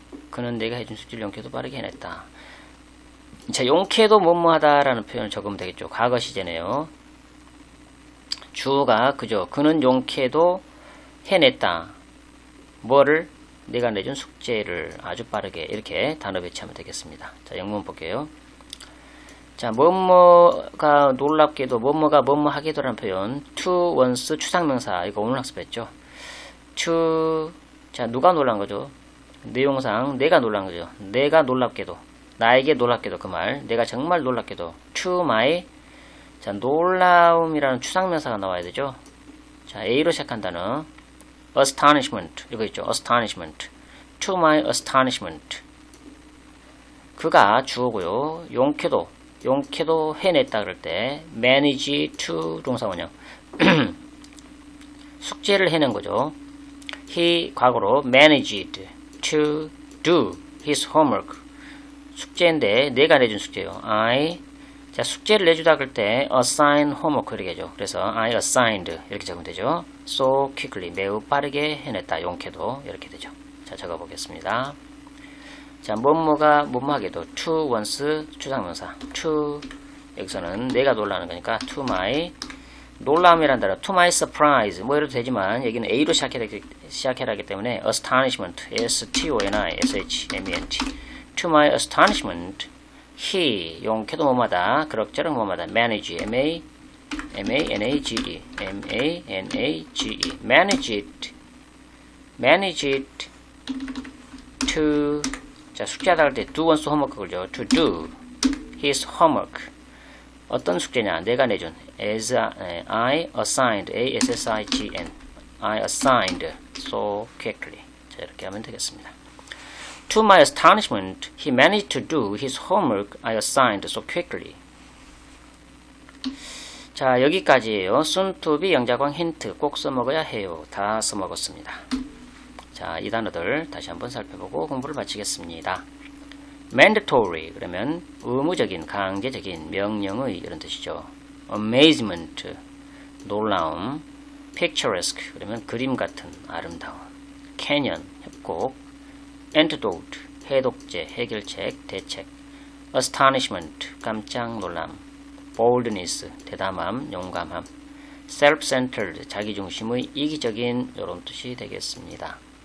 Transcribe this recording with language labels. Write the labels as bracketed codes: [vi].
[ko] 그는 내가 해준 숙제를 용케도 빠르게 해냈다 자 용케도 뭐뭐 하다 라는 표현을 적으면 되겠죠 과거 시제네요 주어가 그죠 그는 용케도 해냈다 뭐를 내가 내준 숙제를 아주 빠르게 이렇게 단어 배치하면 되겠습니다 자 영문 볼게요 자 뭐뭐가 놀랍게도 뭐뭐가 뭐뭐 하게도 라는 표현 to once 추상명사 이거 오늘 학습했죠 to 자 누가 놀란 거죠? 내용상 내가 놀란 거죠. 내가 놀랍게도 나에게 놀랍게도 그 말 내가 정말 놀랍게도 to my 자 놀라움이라는 추상명사가 나와야 되죠. 자 A로 시작한 단어 astonishment 이거 있죠. [en] astonishment to my astonishment [ko] 그가 주어고요. 용케도 해냈다 그럴 때 manage to 동사원형 숙제를 해낸 거죠. [en] He [ko] 과거로 [en] managed to do his homework. [ko] 숙제인데 내가 내준 숙제요. I 자 숙제를 내주다 그럴 때 assign homework 이렇게 하죠. 그래서 [en] I assigned [ko] 이렇게 적으면 되죠. [en] So quickly [ko] 매우 빠르게 해냈다. 용케도 이렇게 되죠. 자 적어보겠습니다. 자 뭐뭐가 뭐뭐하게도 to once 추상명사 to 여기서는 내가 놀라는 거니까 to my 놀라움이란 단어, [en] to my surprise, [ko] 뭐 이래도 되지만, 여기는 A로 시작해야 하기 때문에, astonishment, S-T-O-N-I-S-H-M-E-N-T. [en] To my astonishment, he, 용케도 뭐마다, 그럭저럭 뭐마다, manage, M-A-N-A-G-E, M-A-N-A-G-E, manage it, to, [ko] 자, 숙제하다 할 때, [en] do one's homework, 그죠? to do his homework. [ko] 어떤 숙제냐? 내가 내준. [en] As I assigned. A-S-S-I-G-N. I assigned so quickly. [ko] 자, 이렇게 하면 되겠습니다. [en] To my astonishment, he managed to do his homework I assigned so quickly. [ko] 자, 여기까지예요. [en] Soon to be 영자광 힌트. [ko] 꼭 써먹어야 해요. 다 써먹었습니다. 자, 이 단어들 다시 한번 살펴보고 공부를 마치겠습니다. Mandatory 그러면 의무적인, 강제적인, 명령의 이런 뜻이죠. Amazement 놀라움, Picturesque 그러면 그림 같은, 아름다운, Canyon 협곡, Antidote 해독제, 해결책, 대책, Astonishment 깜짝 놀람, Boldness 대담함, 용감함, Self-centered 자기중심의 이기적인 이런 뜻이 되겠습니다.